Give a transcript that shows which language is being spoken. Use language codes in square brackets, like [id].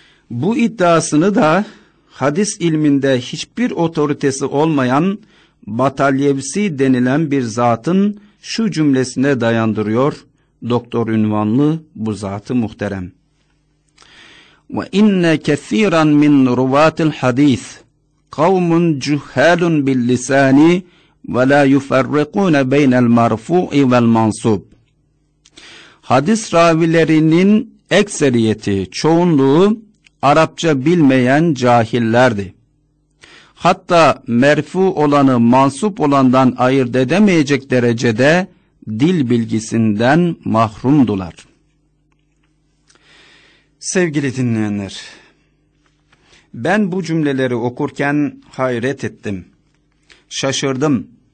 [tr] Bu iddiasını da hadis ilminde hiçbir otoritesi olmayan Batalyevsi denilen bir zatın şu cümlesine dayandırıyor doktor ünvanlı bu zatı muhterem. [ar] وَاِنَّ كَثِيرًا مِنْ رُوَاتِ الْحَد۪يثِ قَوْمٌ جُهَّالٌ بِاللِّسَانِ وَلَا يُفَرِّقُونَ بَيْنَ الْمَرْفُوءِ وَالْمَنْصُوبِ [tr] Hadis ravilerinin ekseriyeti, çoğunluğu Arapça bilmeyen cahillerdi. Hatta merfu olanı mansup olandan ayırt edemeyecek derecede dil bilgisinden mahrumdular. Sevgili dinleyenler, ben bu cümleleri okurken hayret ettim, şaşırdım.